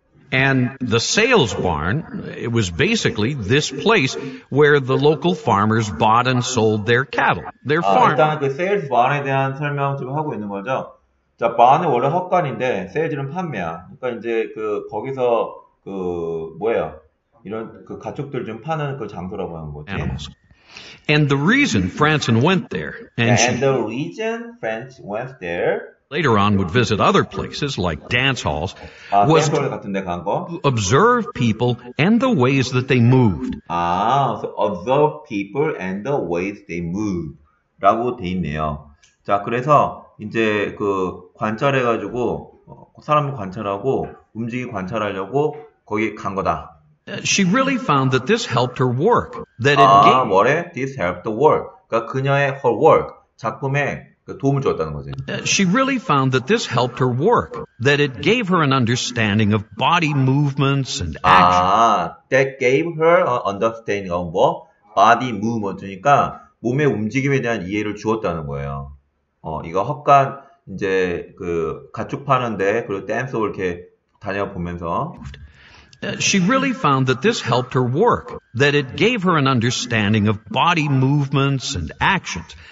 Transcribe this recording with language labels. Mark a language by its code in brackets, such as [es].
[en] And the sales barn, it was basically this place where the local farmers bought and sold their cattle. Their farm. [ko] 일단 그 sales barn에 대한 설명 지금 하고 있는 거죠. 자, 반은 원래 헛간인데, 세일즈는 판매야. 그러니까 이제 그 거기서 그 뭐예요? 이런 그 가축들 좀 파는 그 장소라고 하는 거지. [en] Animals. And the reason Franzen went there. And, and the reason Franzen went there. Later on would visit other places like dance halls. [ko] 아, was dance hall 같은 데 간 거? [en] Observe people and the ways that they moved. 아, so observe people and the ways they moved. [ko] 라고 돼 있네요. 자, 그래서 이제 그 관찰해가지고 사람을 관찰하고 움직이 관찰하려고 거기 간 거다. [en] She really found that this helped her work. That [ko] 아, 뭐래? [en] This helped the work. [ko] 그러니까 그녀의 her work 작품에 도움을 주었다는 거지. [en] She really found that this helped her work. That it gave her an understanding of body movements and action. 아, that gave her an understanding of what? Body movement. [ko] 그러니까 몸의 움직임에 대한 이해를 주었다는 거예요. 어, 이거 헛간, 이제, 그, 가축 파는데, 그리고 댄스홀 이렇게 다녀보면서. [en] She really found that this helped her work. That it gave her an understanding of body movements and actions.